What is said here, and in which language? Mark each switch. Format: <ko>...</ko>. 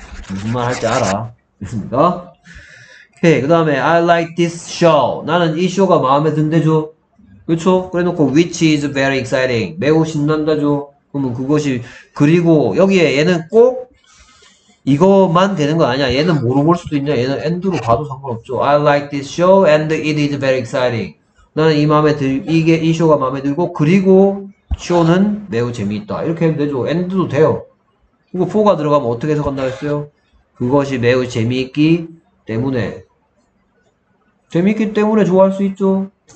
<ko>무슨 말할때 알아. 했습니까? 오케이. 그다음에</ko> <en>I like this show.</en> <ko>나는 이 쇼가 마음에 든대죠. 그렇죠? 그래놓고</ko> <en>which is very exciting.</en> <ko>매우 신난다죠. 그러면 그것이 그리고 여기에 얘는 꼭 이것만 되는 거 아니야. 얘는 뭐로 볼 수도 있냐. 얘는 and로 봐도 상관없죠.</ko> <en>I like this show and it is very exciting.</en> <ko>나는 이 쇼가 마음에 들고 그리고 쇼는 매우 재미있다. 이렇게 해도 되죠. and도 돼요. 그거 for가 들어가면 어떻게 해석한다고 했어요? 그것이 매우 재미있기 때문에 재미있기 때문에 좋아할 수 있죠.</ko>